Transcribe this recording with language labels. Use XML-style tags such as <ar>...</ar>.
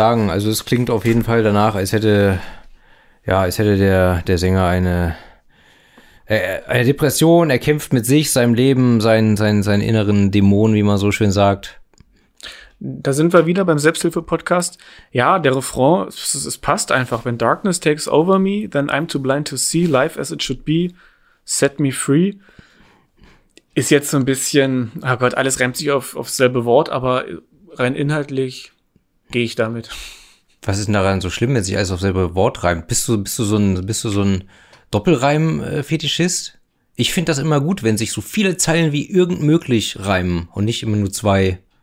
<de>Also es klingt auf jeden Fall danach, als hätte der Sänger eine Depression, er kämpft mit sich, seinem Leben, seinen inneren Dämonen, wie man so schön sagt. Da sind wir wieder beim Selbsthilfe-Podcast. Ja, der Refrain, es passt einfach.</de> <en>When darkness takes over me, then I'm too blind to see life as it should be. Set me free.</en> <de>Ist jetzt so ein bisschen, oh Gott, alles reimt sich auf selbe Wort, aber rein inhaltlich gehe ich damit. Was ist denn daran so schlimm, wenn sich alles auf selbe Wort reimt? Bist du so ein Doppelreim-Fetischist? Ich finde das immer gut, wenn sich so viele Zeilen wie irgend möglich reimen und nicht immer nur zwei.</de>